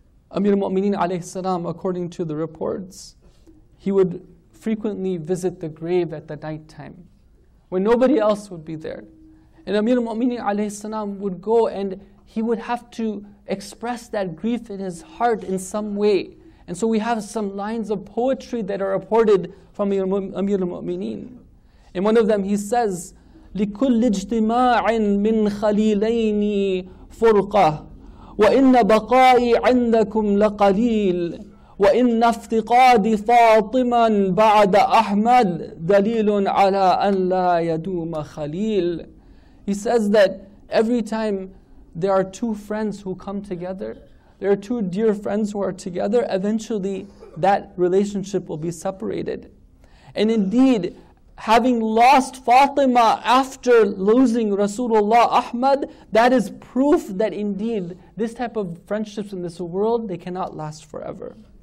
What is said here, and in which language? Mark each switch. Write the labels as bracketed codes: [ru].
[en] Amir al-Mu'mineen alayhi salam, according to the reports, he would frequently visit the grave at the night time when nobody else would be there. And Amir al-Mu'mineen alayhi salam would go, and he would have to express that grief in his heart in some way. And so we have some lines of poetry that are reported from Amir al-Mu'mineen. In one of them he says, [ar] لِكُلِّ اجْتِمَاعٍ مِنْ خَلِيلَيْنِ فُرْقَةٍ وَإِنَّ بَقَائِي عِنْدَكُمْ لَقَلِيلٍ وَإِنَّ افْتِقَادِ فَاطِمًا بَعْدَ أَحْمَدٍ دَلِيلٌ عَلَىٰ أَنْ لَا يَدُومَ خَلِيلٍ. [en] He says that every time there are two friends who come together, there are two dear friends who are together, eventually that relationship will be separated. And indeed, having lost Fatima after losing Rasulullah Ahmad, that is proof that indeed this type of friendships in this world, they cannot last forever.